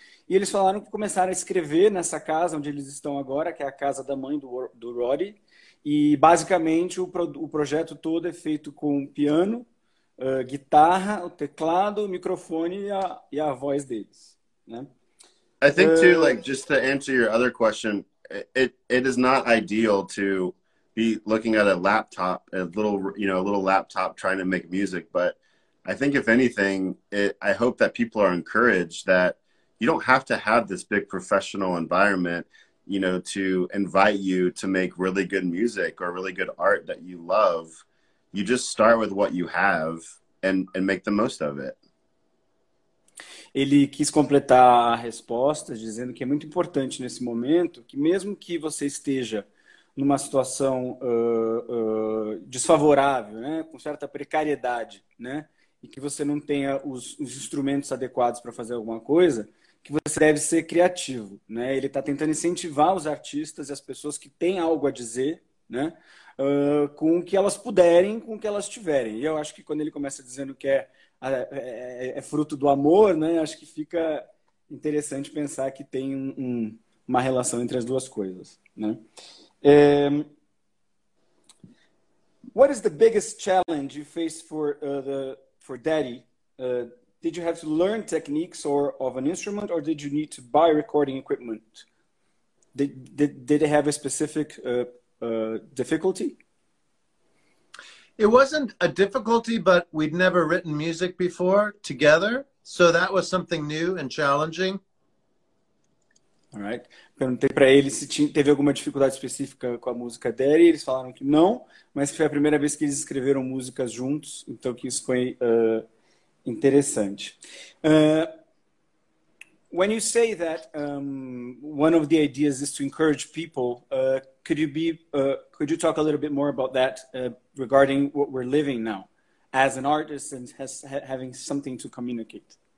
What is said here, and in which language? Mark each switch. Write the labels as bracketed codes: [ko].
[pt] E eles falaram que começaram a escrever nessa casa onde eles estão agora, que é a casa da mãe do Roddy. E basicamente o projeto todo é feito com piano, guitarra, o teclado, o microfone e a voz deles, né? [en] I think too, like, just to answer your other question, it is not ideal to be looking at a laptop, a little laptop trying to make music. But I think if anything, I hope that people are encouraged that you don't have to have this big professional environment, you know, to invite you to make really good music or really good art that you love. You just start with what you have and make the most of it. [pt] Ele quis completar a resposta dizendo que é muito importante nesse momento que mesmo que você esteja numa situação desfavorável, né, com certa precariedade, né, e que você não tenha os instrumentos adequados para fazer alguma coisa, que você deve ser criativo. Né? Ele está tentando incentivar os artistas e as pessoas que têm algo a dizer, né, com o que elas puderem, com o que elas tiverem. E eu acho que quando ele começa dizendo que é fruto do amor, né? Acho que fica interessante pensar que tem uma relação entre as duas coisas, né? [en] What is the biggest challenge you face for Daddy Did you have to learn techniques or of an instrument, or did you need to buy recording equipment? Did they have a specific difficulty? It wasn't a difficulty, but we'd never written music before together. So that was something new and challenging. All right. [pt] Perguntei para eles se teve alguma dificuldade específica com a música dele. Eles falaram que não, mas foi a primeira vez que eles escreveram músicas juntos. Então, que isso foi interessante. [en] When you say that one of the ideas is to encourage people, could you talk a little bit more about that regarding what we're living now as an artist and having something to communicate?